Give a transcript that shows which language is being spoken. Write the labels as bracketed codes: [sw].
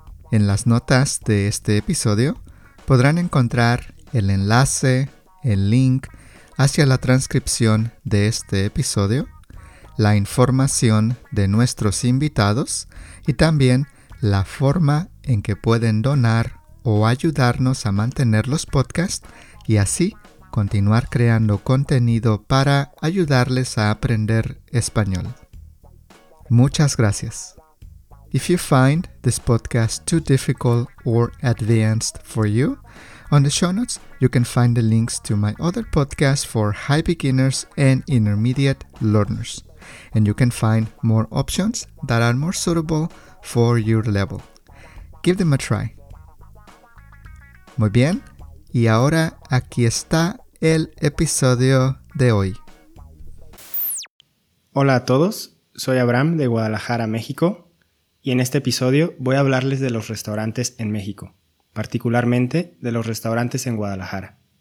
[es] En las notas de este episodio podrán encontrar el enlace, el link hacia la transcripción de este episodio, la información de nuestros invitados y también la forma en que pueden donar o ayudarnos a mantener los podcasts y así continuar creando contenido para ayudarles a aprender español. Muchas gracias. [en] If you find this podcast too difficult or advanced for you, on the show notes, you can find the links to my other podcasts for high beginners and intermediate learners. And you can find more options that are more suitable for your level. Give them a try. [es] Muy bien, y ahora aquí está el episodio de hoy. Hola a todos, soy Abraham de Guadalajara, México, y en este episodio voy a hablarles de los restaurantes en México, particularmente de los restaurantes en Guadalajara.